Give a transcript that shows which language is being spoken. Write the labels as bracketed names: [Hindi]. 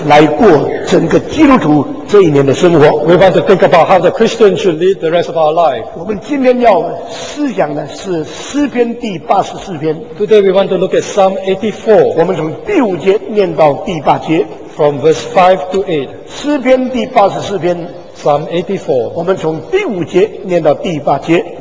[Chinese] 来过整个基督徒这一年的生活。 [English] We want to think about how the Christian should lead the rest of our life。 [Chinese] 我们今天要思想的是诗篇第八十四篇。 [English] Today we want to look at Psalm 84。 [Chinese] 我们从第五节念到第八节。 [English] From verse 5 to 8。 [Chinese] 诗篇第八十四篇。 [English] Psalm 84。 [Chinese] 我们从第五节念到第八节。